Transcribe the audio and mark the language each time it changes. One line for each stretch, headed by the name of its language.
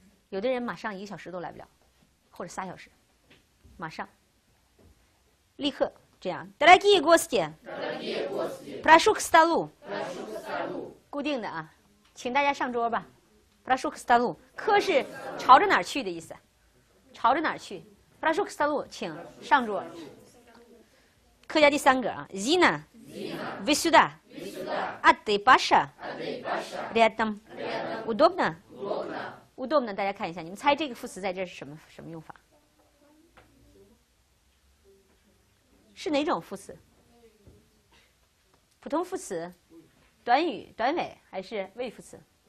Chinese: 有的人马上一个小时都来不了，或者仨小时。马上。立刻这样。
Russian: Дорогие гости. Прошу к столу.
Chinese: 固定的啊，请大家上桌吧。
Russian: Прошу к столу.
Chinese: К 是朝着哪儿去的意思，朝着哪儿去。
Russian: Прошу к столу,
Chinese: 请上桌。 客家第三个啊
Russian: ，Зина, вы сюда, а ты Паша, рядом, удобно,
Chinese: Удобно, 大家看一下，你们猜这个副词在这是什么用法？是哪种副词？普通副词、短语、短尾还是谓副词？